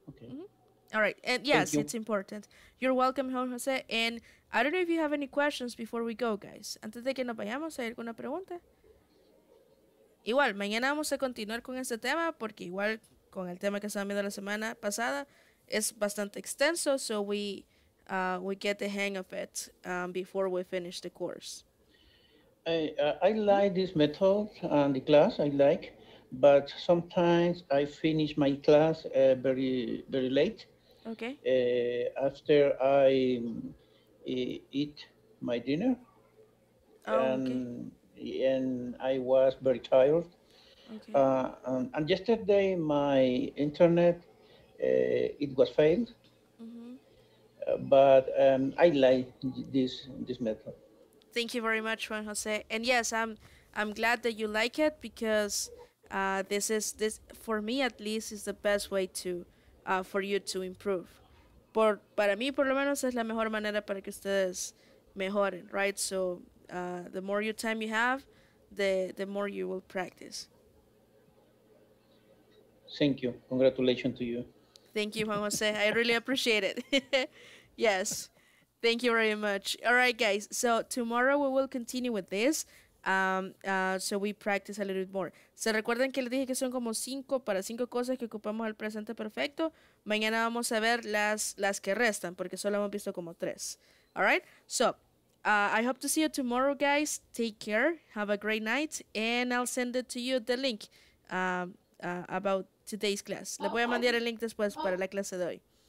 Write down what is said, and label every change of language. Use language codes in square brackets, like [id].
[en] Mm-hmm. All right, and yes, it's important. You're welcome, Juan José. And I don't know if you have any questions before we go, guys. [es] Antes de que nos vayamos, ¿hay alguna pregunta? Igual, mañana vamos a continuar con este tema, porque igual con el tema que estaban viendo la semana pasada, es bastante extenso, [en] so we get the hang of it before we finish the course. I like this method and the class, I like, but sometimes I finish my class very late. Okay. After I eat my dinner. Oh, okay. And I was very tired. Okay. And yesterday my internet it was failed. Mm-hmm. But I like this method. Thank you very much, Juan Jose. And yes, I'm glad that you like it, because this for me at least is the best way to for you to improve. [es] Para mí por lo menos es la mejor manera para que ustedes mejoren, [en] right? So the more your time you have, the more you will practice. Thank you. Congratulations to you. Thank you, Juan Jose. I really appreciate it. Yes. Thank you very much. All right, guys. So tomorrow we will continue with this. So we practice a little bit more. [es] ¿Se recuerdan que les dije que son como cinco cosas que ocupamos el presente perfecto? Mañana vamos a ver las que restan, porque solo hemos visto como tres. [en] All right? So, I hope to see you tomorrow, guys. Take care. Have a great night. And I'll send it to you the link about today's class. [es] Le voy a mandar el link después para la clase de hoy.